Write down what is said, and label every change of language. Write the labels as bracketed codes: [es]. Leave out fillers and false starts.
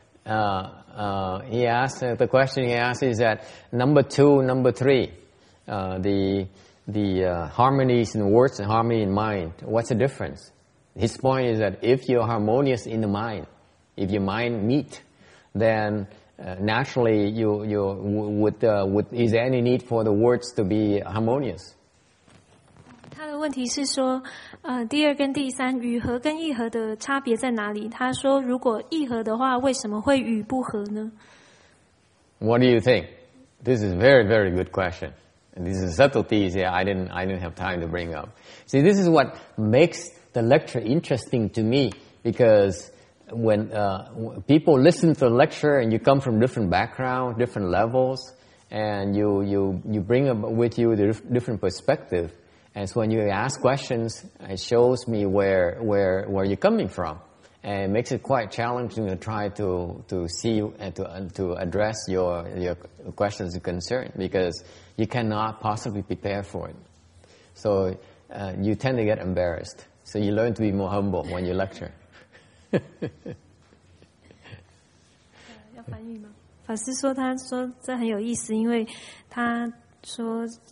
[en] He asked the question he asked is that number two, number three, the harmonies in words and harmony in mind. What's the difference? His point is that if you're harmonious in the mind, if your mind meet, then naturally you would is there any need for the words to be harmonious? [zh] 问题是说，第二跟第三语和跟意和的差别在哪里？他说，如果意和的话，为什么会语不和呢 [en] ？What do you think? This is very very good question. This is subtleties that I didn't have time to bring up. See, this is what makes the lecture interesting to me, because when people listen to the lecture and you come from different background, different levels, and you bring with you the different perspective. And so when you ask questions, it shows me where you're coming from, and it makes it quite challenging to try to see and to address your questions and concern, because you cannot possibly prepare for it. So you tend to get embarrassed. So you learn to be more humble when you lecture. [zh] 要翻译吗？法师说，他说这很有意思，因为他说。